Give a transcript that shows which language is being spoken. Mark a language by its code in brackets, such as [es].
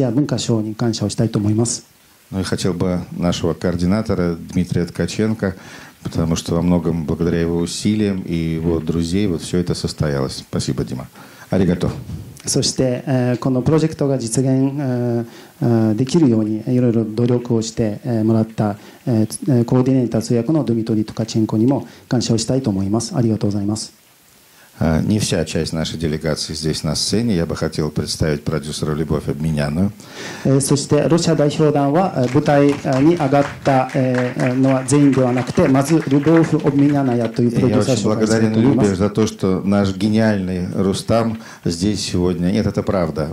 [ru] Хотел бы нашего координатора Дмитрия Ткаченко, потому что во многом благодаря его усилиям и его друзей вот все это состоялось. Спасибо, Дима. Аригато. [ja] そして、このプロジェクトが実現、できるようにいろいろ努力をして、もらった、コーディネーター通訳のドミトリー・トカチェンコにも感謝をしたいと思います。ありがとうございます。 [ru] Не вся часть нашей делегации здесь на сцене. Я бы хотел представить продюсера Любовь Обменянную. Я очень благодарен Любе за то, что наш гениальный Рустам здесь сегодня. Нет, это правда.